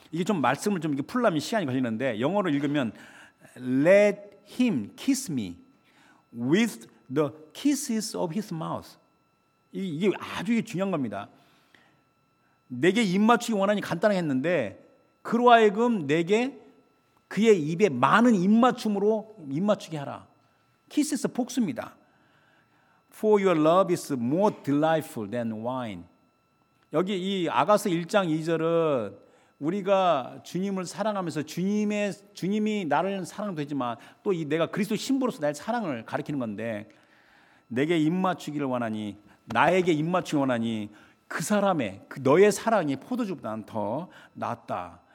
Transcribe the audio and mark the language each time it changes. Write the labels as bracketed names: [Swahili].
[Korean] 이게 좀 말씀을 좀 이렇게 풀려면 시간이 걸리는데 영어로 읽으면 [English] Let him kiss me with the kisses of his mouth. [Korean] 이게 아주 중요한 겁니다. 내게 입맞추기 원하니 간단하게 했는데 그로하여금 내게 그의 입에 많은 입맞춤으로 입맞추게 하라. Kisses 복수입니다. [English] For your love is more delightful than wine. [Korean] 여기 이 아가서 1장 2절은 우리가 주님을 사랑하면서 주님이 나를 사랑도 했지만 또 이 내가 그리스도 신부로서 나의 사랑을 가르치는 건데 내게 입맞추기를 원하니 나에게 입맞추기 원하니 그 사람의 그 너의 사랑이 포도주보다는 더 낫다.